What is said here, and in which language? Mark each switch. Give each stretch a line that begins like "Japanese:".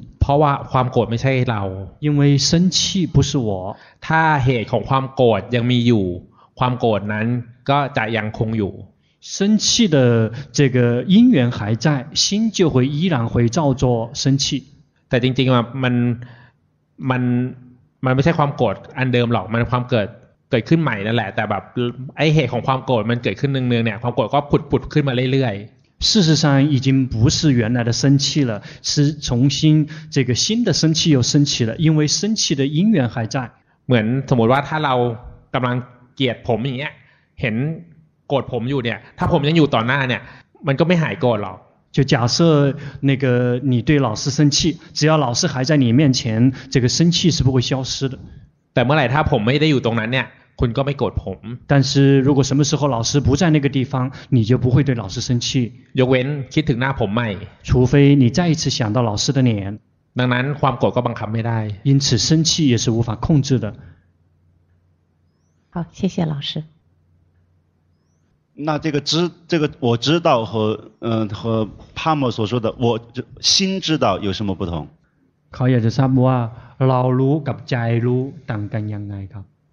Thai: เพราะว่าความโกรธไม่ใช่เรา
Chinese: 因为生气不是我
Thai: ถ้าเหตุของความโกรธยังมีอยู่ความโกรธนั้นก็จะยังคงอยู่
Chinese: 生气的这个因缘还在心就会依然会照做生气
Thai: แต่จริงๆมันไม่ใช่ความโกรธอันเดิมหรอกมันความเกิดขึ้นใหม่นั่นแหละแต่แบบไอ้เหตุของความโกรธมันเกิดขึ้นเนืองๆเนี่ยความโกรธก็ผุดขึ้นมาเรื่อยๆ
Chinese: 事实上已经不是原来的生气了是重新这个新的生气又生气了因为生气的因缘还在
Thai: เหมือนสมมติว่าถ้าเรากำลังเกลียดผมอย่างเงี้ยเห็นโกรธผมอยู่เนี่ยถ้าผมยังอยู่ต่อหน้าเนี่ยมันก็ไม่หายโกรธหรอก
Chinese: 就假设那个你对老师生气只要老师还在你面前这个生气是不会消失的
Thai: แต่เมื่อไหร่ถ้าผมไม่ได้อยู่ตรงนั้นเนี่ยคุณก็ไม่โกรธผม
Chinese: 但是如果什么时候老师不在那个地方你就不会对老师生气
Thai: ยกเว้นคิดถึงหน้าผมใหม่
Chinese: 除非你再一次想到老师的脸
Thai: ดังนั้นความโกรธก็บังคับไม่ได้
Chinese: 因此生气也是无法控制的好谢谢老师那这个我知道和帕默所说的我心知道有什么不同
Thai: เขาอยากจะทราบว่าเรารู้กับใจรู้ต่างกันยังไงครับ